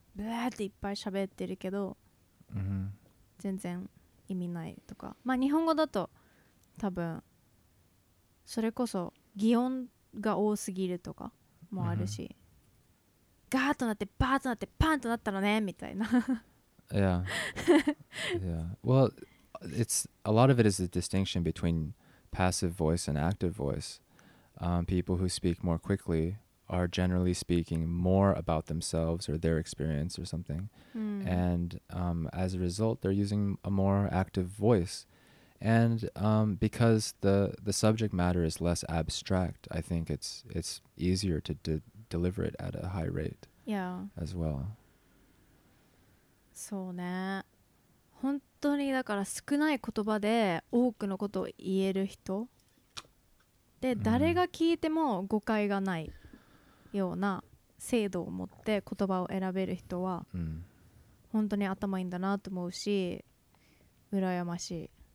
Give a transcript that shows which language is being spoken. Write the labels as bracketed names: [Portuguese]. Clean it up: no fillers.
[Japanese] ブワーっていっぱい喋ってるけど、全然意味ないとか。まあ日本語だと多分それこそ擬音が多すぎるとかもあるし、ガーッとなってバーッとなってパンとなったのねみたいな。 [English] Yeah. Yeah. Well, it's a lot of it is the distinction between passive voice and active voice. People who speak more quickly are generally speaking more about themselves or their experience or something. And as a result, they're using a more active voice. And because the subject matter is less abstract, I think it's easier to deliver it at a high rate as well. [Japanese] そうね。本当にだから少ない言葉で多くのことを言える人で、誰が聞いても誤解がないような精度を持って言葉を選べる人は本当に頭いいんだなと思うし、羨ましい。